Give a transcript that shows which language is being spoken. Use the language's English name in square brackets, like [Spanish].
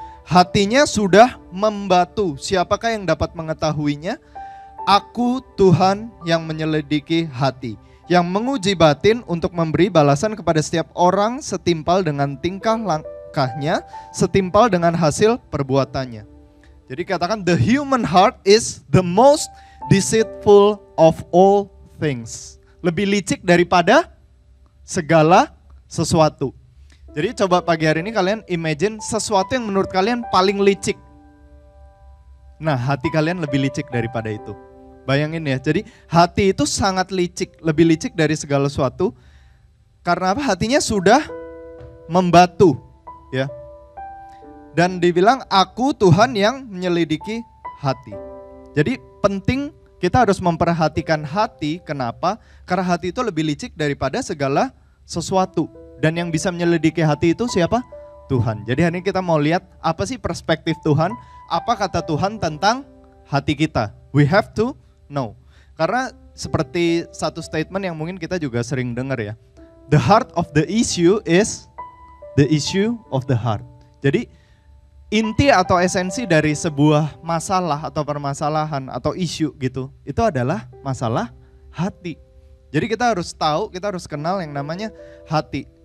[Indonesian] Hatinya sudah membatu, siapakah yang dapat mengetahuinya? Aku Tuhan yang menyelidiki hati, yang menguji batin untuk memberi balasan kepada setiap orang setimpal dengan tingkah langkahnya, setimpal dengan hasil perbuatannya. Jadi katakan, [English] the human heart is the most deceitful of all things. [Indonesian] Lebih licik daripada segala sesuatu. Jadi coba pagi hari ini kalian imagine sesuatu yang menurut kalian paling licik. Nah, hati kalian lebih licik daripada itu. Bayangin ya, jadi hati itu sangat licik, lebih licik dari segala sesuatu. Karena apa? Hatinya sudah membatu, ya. Dan dibilang, aku Tuhan yang menyelidiki hati. Jadi penting kita harus memperhatikan hati, kenapa? Karena hati itu lebih licik daripada segala sesuatu. Dan yang bisa menyelidiki hati itu siapa? Tuhan. Jadi hari ini kita mau lihat apa sih perspektif Tuhan, apa kata Tuhan tentang hati kita. [English] We have to know. [Indonesian] Karena seperti satu statement yang mungkin kita juga sering dengar ya. [English] The heart of the issue is the issue of the heart. [Indonesian] Jadi inti atau esensi dari sebuah masalah atau permasalahan atau isu gitu, itu adalah masalah hati. Jadi kita harus tahu, kita harus kenal yang namanya hati.